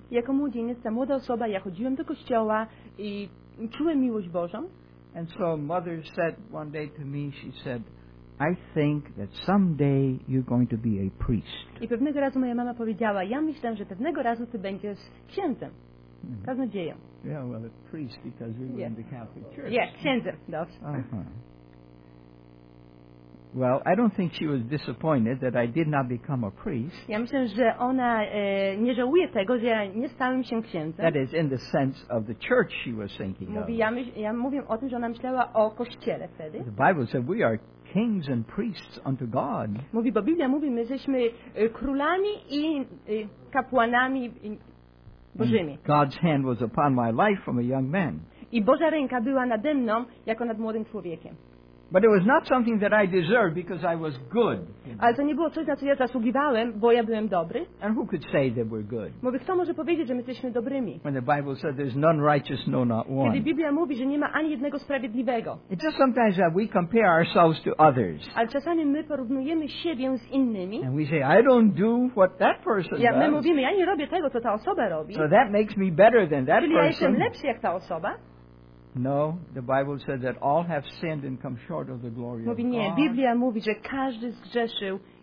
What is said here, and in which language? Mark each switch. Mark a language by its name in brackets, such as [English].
[Polish] Jako młodzieniec, ta młoda osoba, ja chodziłem do kościoła i czułem miłość Bożą. [English] And so mother said one day to me, she said, I think that someday you're going to be a priest. [Polish] I pewnego razu moja mama powiedziała, ja myślę, że pewnego razu ty będziesz księdzem. Kaznodzieją. Mm-hmm. [English] Yeah, well, a priest, because we were in the Catholic Church. [Polish] Yeah, księdzem, dobrze. Uh-huh. [English] Well, I don't think she was disappointed that I did not become a priest. [Polish] Ja myślę, że ona nie żałuje tego, że ja nie stałem się księdzem. [English] That is in the sense of the church she was thinking [Polish] mówi, [English] of. [Polish] Ja mówię o tym, że ona myślała o kościele wtedy. [English] The Bible said we are kings and priests unto God. [Polish] Mówi, bo Biblia mówi, my jesteśmy królami i kapłanami Bożymi. [English] God's hand was upon my life from a young man. [Polish] I Boża ręka była nade mną, jako nad młodym człowiekiem. [English] But it was not something that I deserved because I was good. [Polish] Ale to nie było coś, na co ja zasługiwałem, bo ja byłem dobry. [English] And who could say that we're good? [Polish] Mówi, kto może powiedzieć, że my jesteśmy dobrymi? [English] When the Bible says there's none righteous, no not one. [Polish] Kiedy Biblia mówi, że nie ma ani jednego sprawiedliwego. [English] It's just sometimes that we compare ourselves to others. [Polish] Ale czasami my porównujemy siebie z innymi. [English] And we say, I don't do what that person does. [Polish] Ja my mówimy, ja nie robię tego, co ta osoba robi. [English] So that makes me better than that [Polish] czyli [English] person. [Polish] Ja jestem lepszy jak ta osoba. [English] No, the Bible says that all have sinned and come short of the glory [Polish] mówi, [English] of [Polish] nie. [English] God. [Polish] Biblia mówi, że każdy zgrzeszył.